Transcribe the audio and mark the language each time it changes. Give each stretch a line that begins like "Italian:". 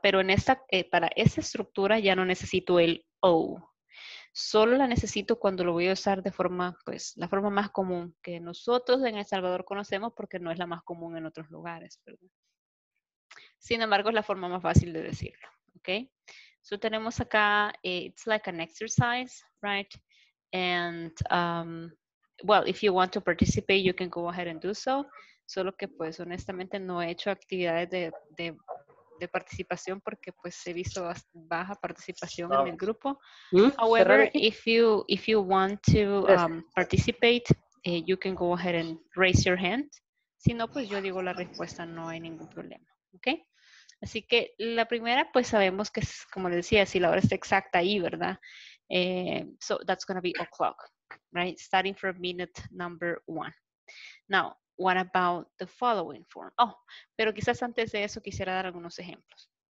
Spanish: Pero en esta, para esa estructura ya no necesito el O. Solo la necesito cuando lo voy a usar de forma, pues, la forma más común que nosotros en El Salvador conocemos porque no es la más común en otros lugares, ¿verdad? Sin embargo, es la forma más fácil de decirlo, ¿ok?
English: So,
Spanish: tenemos acá,
English: it's like an exercise, right? And, well, if you want to participate, you can go ahead and do so.
Spanish: Solo que, pues, honestamente no he hecho actividades de participación porque, pues, he visto baja participación en el grupo.
English: However, if you want to participate, you can go ahead and raise your hand.
Spanish: Si no, pues, yo digo la respuesta, no hay ningún problema, ¿ok? Así que la primera, pues, sabemos que, es, como les decía, si la hora está exacta ahí, ¿verdad?
English: So, that's going to be o'clock, right? Starting from minute number one. Now, what about the following form?
Spanish: Oh, pero quizás antes de eso quisiera dar algunos ejemplos.